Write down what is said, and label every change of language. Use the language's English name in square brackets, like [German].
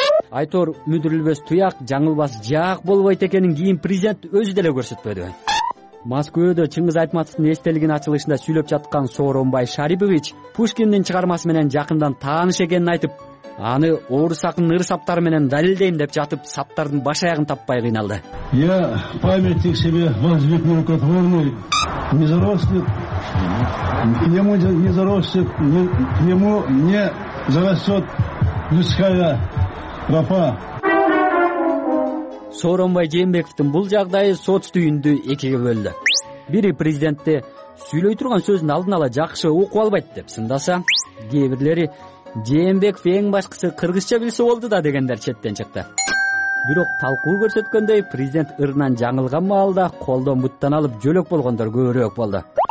[Kyrgyz] Айтор мүдүрүлбөс туяк, жаңылбас жаак болбойт экенин кийин президент өзү деле көрсөтпөдүбү? Москвада Чыңгыз Айтматовдун эстелигинин ачылышында сүйлөп жаткан Сооронбай Шарипович Пушкиндин чыгармасы менен жакындан тааныш экенин айтып, аны орус акынынын ыр саптары менен далилдейм деп жатып, саптардын баш аягын таппай кыйналды. [Russian] Я памятник себе воздвиг нерукотворный, не заросли, ему не заросли, ему не зарастет людская тропа. [Kyrgyz] Сооронбай Жээнбековдун бул жагдайы соц түйүндү экиге бөлдү. Бири президентти сүйлөй турган сөзүн алдын ала жакшы окуп албайт деп сындаса, кээ бирлери Жээнбеков эң башкысы кыргызча билсе болду да дегендер четтен чыкты. Бирок талкуу көрсөткөндөй, президент ырынан жаңылган маалда колдон буттан алып жөлөк болгондор көбүрөөк болду.